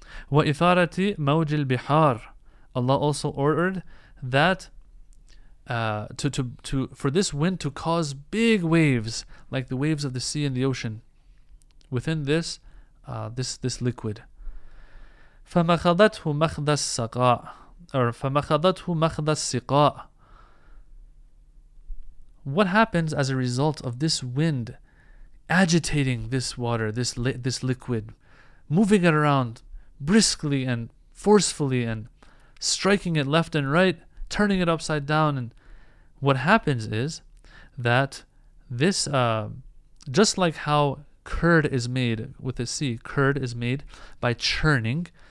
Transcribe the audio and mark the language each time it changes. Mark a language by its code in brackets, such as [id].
[ar] وَإِثَارَةِ مَوْجِ الْبِحَارِ. [en] Allah also ordered that for this wind to cause big waves, like the waves of the sea and the ocean, within this this liquid. [ar] فَمَخَذَتْهُ مَخْذَ السَّقَاءِ. Or فَمَخَذَتْهُ مَخْذَ السِّقَاءِ. [en] What happens as a result of this wind agitating this water, this liquid, moving it around briskly and forcefully and striking it left and right, turning it upside down? And what happens is that this, just like how curd is made with a C, curd is made by churning.